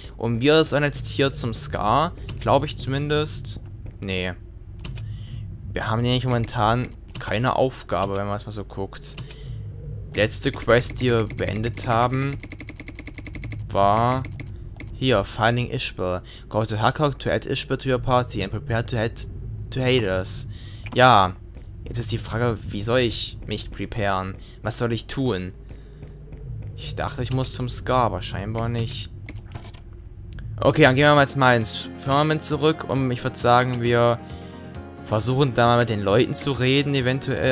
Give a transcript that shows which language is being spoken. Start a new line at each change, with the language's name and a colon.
German: Und wir sollen jetzt hier zum Scar, glaube ich zumindest. Nee. Wir haben nämlich momentan keine Aufgabe, wenn man es mal so guckt. Die letzte Quest, die wir beendet haben, war hier, Finding Ishbel.
English: Go to Hakok to add Ishbel to your party and prepare to head to Hades.
German: Ja, jetzt ist die Frage, wie soll ich mich preparen? Was soll ich tun? Ich dachte, ich muss zum Scar, aber scheinbar nicht. Okay, dann gehen wir jetzt mal ins Firmament zurück und ich würde sagen, wir versuchen da mal mit den Leuten zu reden, eventuell.